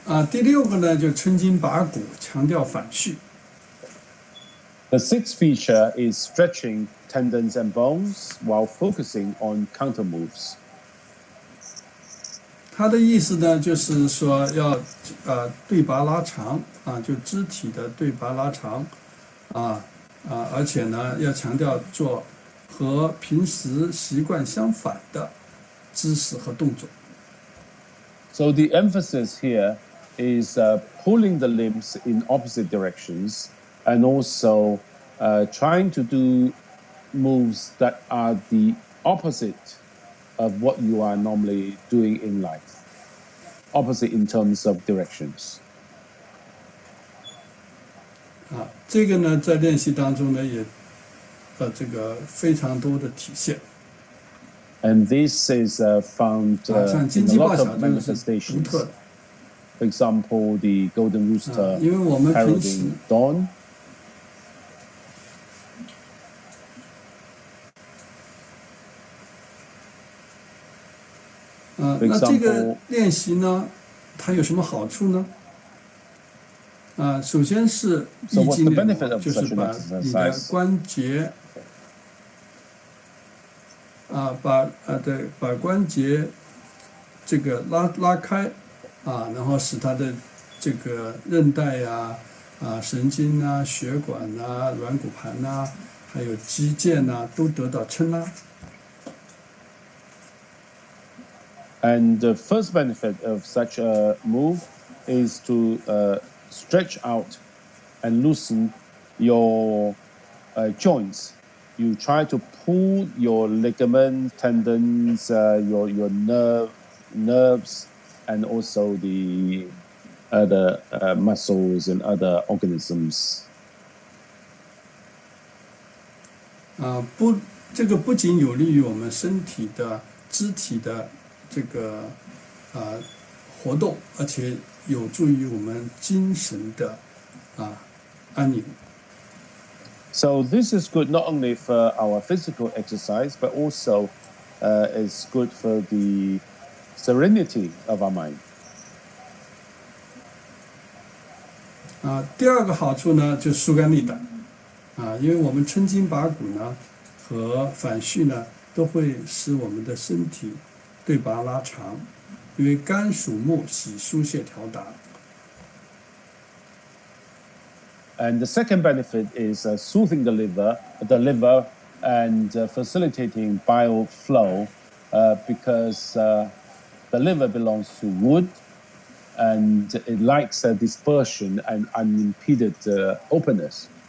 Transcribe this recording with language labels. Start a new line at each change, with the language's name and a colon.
Chinese: 第六个呢，就抻筋拔骨，强调反序。
English: The sixth feature is stretching tendons and bones while focusing on counter moves.
Chinese: 他的意思呢，就是说要对拔拉长就肢体的对拔拉长而且呢，要强调做和平时习惯相反的姿势和动作。
English: So the emphasis here is pulling the limbs in opposite directions and also trying to do moves that are the opposite of what you are normally doing in life, opposite in terms of directions.
Chinese: 这个呢，在练习当中呢，也这个非常多的体现。
English: And this is found in a lot of manifestations. For example, the golden rooster heralding dawn. For example,
Chinese: 那这个练习呢，它有什么好处呢？首先是易筋联络，就是把你的关节把关节这个拉开然后使它的这个韧带神经血管软骨盘还有肌腱都得到撑拉。
English: And the first benefit of such a move is to stretch out and loosen your joints. You try to pull your ligaments, tendons, your nerves, and also the other muscles and other organisms.
Chinese: 不，这个不仅有利于我们身体的肢体的这个活动，而且有助于我们精神的安宁。
English: So this is good not only for our physical exercise, but also is good for the serenity of our mind.
Chinese: 第二个好处呢，就是疏肝利胆。因为我们抻筋拔骨呢和反序呢，都会使我们的身体对拔拉长，因为肝属木，喜疏泄调达。
English: And the second benefit is soothing the liver, and facilitating bile flow, because the liver belongs to wood, and it likes a dispersion and unimpeded openness.